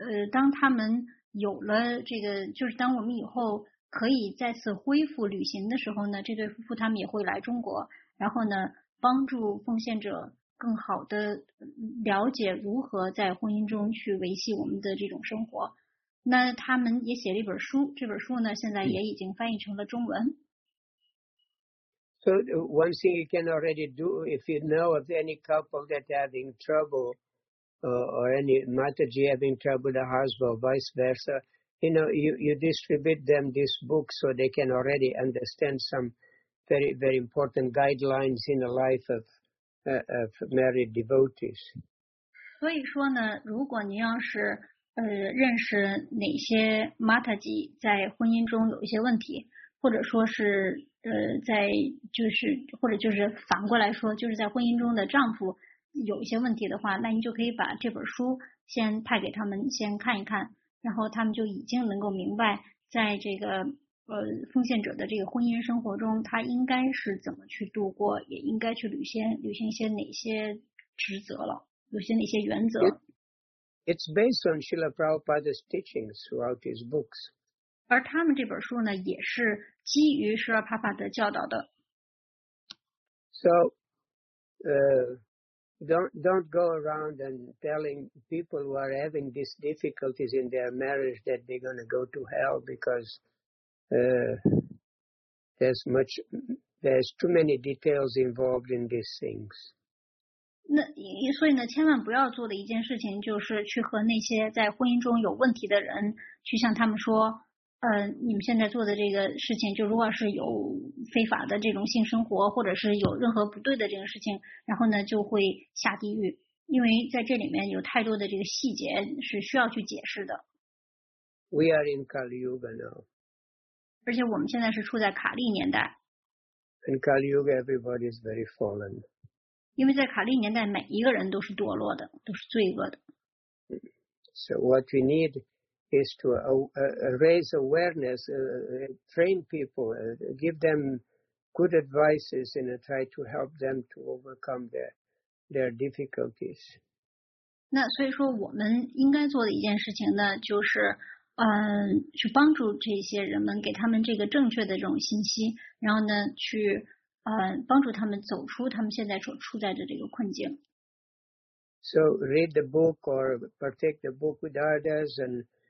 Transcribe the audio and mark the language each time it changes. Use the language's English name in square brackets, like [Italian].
[Chinese] 当他们有了这个，就是当我们以后可以再次恢复旅行的时候呢，这对夫妇他们也会来中国，然后呢，帮助奉献者更好的了解如何在婚姻中去维系我们的这种生活。那他们也写了一本书，这本书呢现在也已经翻译成了中文。 [English] So one thing you can already do if you know of any couple that having trouble, or any Mataji having trouble, the husband or vice versa, you know, you distribute them this book so they can already understand some very very important guidelines in the life of married devotees. [Chinese] 所以说呢，如果您要是认识哪些 Mataji 在婚姻中有一些问题，或者说是在就是或者就是反过来说，就是在婚姻中的丈夫有一些问题的话，那你就可以把这本书先派给他们先看一看，然后他们就已经能够明白在这个奉献者的这个婚姻生活中他应该是怎么去度过，也应该去履行一些哪些职责了，履行哪些原则。 [English] It's based on Srila Prabhupada's teachings throughout his books. [Chinese] 而他们这本书呢也是基于 Srila Prabhupada 的教导的。 [English] So, don't go around and telling people who are having these difficulties in their marriage that they're going to go to hell because there's too many details involved in these things. [Chinese] 那所以呢，千万不要做的一件事情就是去和那些在婚姻中有问题的人去向他们说，你们现在做的这个事情，就如果是有非法的这种性生活，或者是有任何不对的这个事情，然后呢就会下地狱，因为在这里面有太多的这个细节是需要去解释的。 [English] We are in Kali Yuga now. [Chinese] 而且我们现在是处在卡利年代。 [English] In Kali Yuga, everybody is very fallen. [Chinese] 因为在卡利年代，每一个人都是堕落的，都是罪恶的。 [English] So what we need. Is to raise awareness, train people, give them good advices, and try to help them to overcome their difficulties. [Chinese] 那所以说，我们应该做的一件事情呢，就是去帮助这些人们，给他们这个正确的这种信息，然后呢，去帮助他们走出他们现在所处在的这个困境。 [English] So read the book or partake the book with others and.